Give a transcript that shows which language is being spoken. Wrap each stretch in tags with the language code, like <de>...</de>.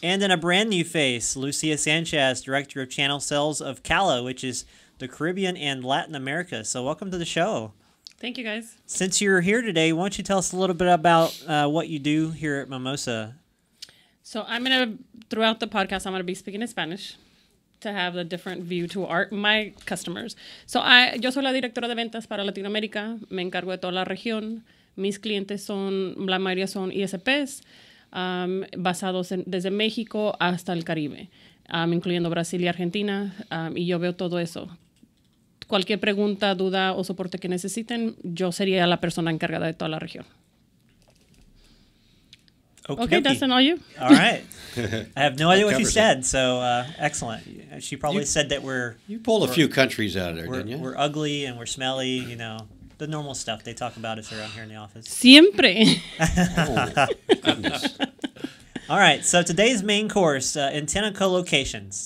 <en>And then a brand new face, Lucia Sanchez, Director of Channel Sales of CALA, which is the Caribbean and Latin America. So welcome to the show. Thank you, guys. Since you're here today, why don't you tell us a little bit about what you do here at Mimosa? So I'm going to, throughout the podcast, I'm going to be speaking in Spanish to have a different view to my customers. So</en> <es>yo soy la directora de ventas para Latinoamérica. Me encargo de toda la región. Mis clientes son, la mayoría son ISPs, basados desde México hasta el Caribe, incluyendo Brasil y Argentina, y yo veo todo eso. Cualquier pregunta, duda o soporte que necesiten, yo sería la persona encargada de toda la región. Okay,</es> <en>Dustin, are you? All right. I have no idea what you said, so excellent. She probably said that we're... You pulled a few countries out of there, didn't you? We're ugly and we're smelly, you know, the normal stuff they talk about us around here in the office.</en> <es>Siempre. Oh,</es> <en>goodness. All right, so today's main course, antenna colocations.</en>